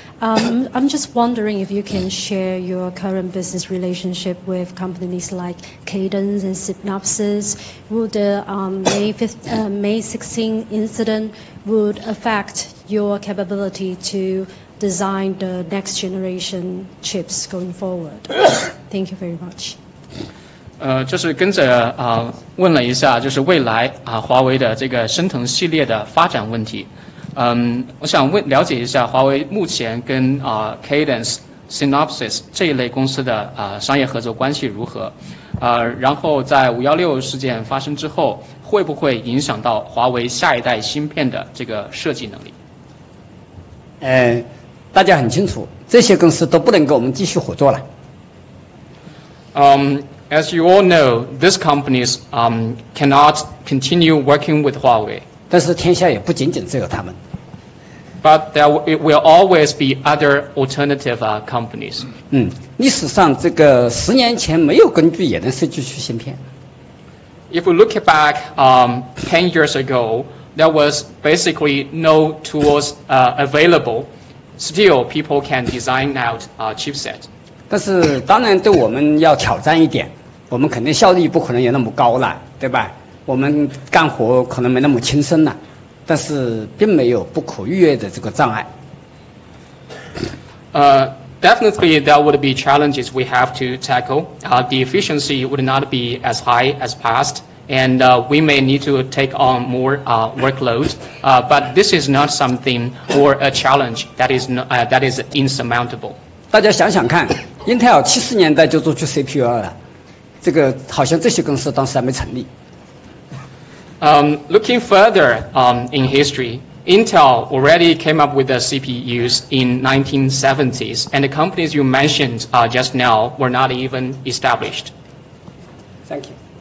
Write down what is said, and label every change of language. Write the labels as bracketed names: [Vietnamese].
[English] I'm just wondering if you can share your current business relationship with companies like Cadence and Synopsys. Would the May 16 incident would affect your capability to design the next generation chips going forward? Thank you very much. [Chinese] 就是跟着问了一下，就是未来华为的这个升腾系列的发展问题。我想了解一下华为目前跟Cadence、Synopsys 这一类公司的商业合作关系如何？然后在516事件发生之后，会不会影响到华为下一代芯片的这个设计能力？大家很清楚，这些公司都不能跟我们继续合作了。 [English] As you all know, these companies cannot continue working with Huawei. [Chinese] 但是天下也不仅仅只有他们。 [English] But there will always be other alternative companies. [Chinese] 历史上这个十年前没有根据也能设计出芯片。 [English] If we look back 10 years ago, there was basically no tools available. Still, people can design out chipset. [Chinese] 但是当然对我们要挑战一点。我们肯定效率不可能有那么高了，对吧？我们干活可能没那么轻松了，但是并没有不可逾越的这个障碍。 [English] Definitely there would be challenges we have to tackle. The efficiency would not be as high as past, and we may need to take on more workload. But this is not something or a challenge that is insurmountable. [Chinese] 大家想想看，英特尔1970年代就做出 CPU 了。这个好像这些公司当时还没成立。 [English] Looking further in history, Intel already came up with the CPUs in 1970s, and the companies you mentioned just now were not even established. Thank you.